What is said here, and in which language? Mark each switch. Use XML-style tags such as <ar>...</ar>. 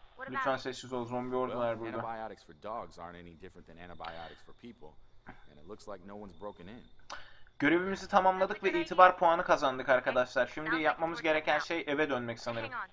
<tr>Lütfen sessiz ol, zombi ordular burada.</tr> <en>Antibiotics for dogs aren't any different than antibiotics for people. And it looks like no one's broken in.</en> <tr>Görevimizi tamamladık ve itibar puanı kazandık arkadaşlar. Şimdi yapmamız gereken şey eve dönmek sanırım.</tr>